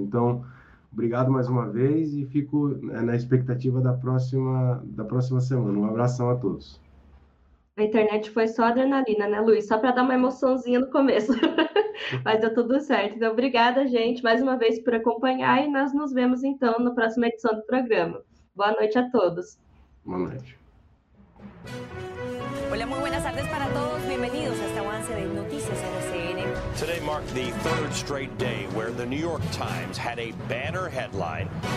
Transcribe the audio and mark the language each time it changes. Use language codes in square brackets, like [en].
[pt] Então, obrigado mais uma vez e fico na expectativa da próxima semana. Um abração a todos. A internet foi só adrenalina, né, Luiz? Só para dar uma emoçãozinha no começo. Mas deu tudo certo. Então, obrigada, gente, mais uma vez por acompanhar e nós nos vemos então na próxima edição do programa. Boa noite a todos. Boa noite. [es] Hola, muy buenas tardes para todos. Bienvenidos a este avance de noticias en RCN. [en] Today marked the third straight day where the New York Times had a banner headline.